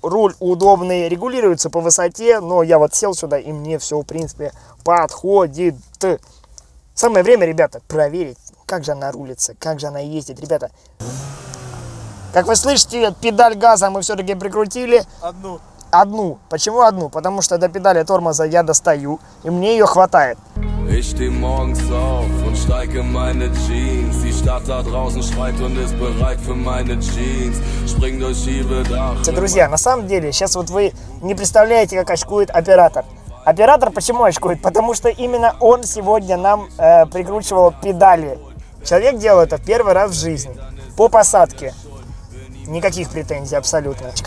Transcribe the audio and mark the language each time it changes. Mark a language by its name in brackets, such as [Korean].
[Russian] Руль удобный, регулируется по высоте, но я вот сел сюда, и мне все, в принципе, подходит. Самое время, ребята, проверить, как же она рулится, как же она ездит, ребята. Как вы слышите, педаль газа мы все-таки прикрутили. Одну. Одну. Почему одну? Потому что до педали тормоза я достаю, и мне ее хватает. [German] Ich steh morgens auf und steig in meine Jeans. Die Stadt da draußen schreit und ist bereit für meine Jeans. Spring durch ihre Dach. [Russian] Все, друзья, на самом деле, сейчас вот вы не представляете, как очкует оператор. Оператор почему очкует? Потому что именно он сегодня нам прикручивал педали. Человек делал это в первый раз в жизни. По посадке. Никаких претензий абсолютно.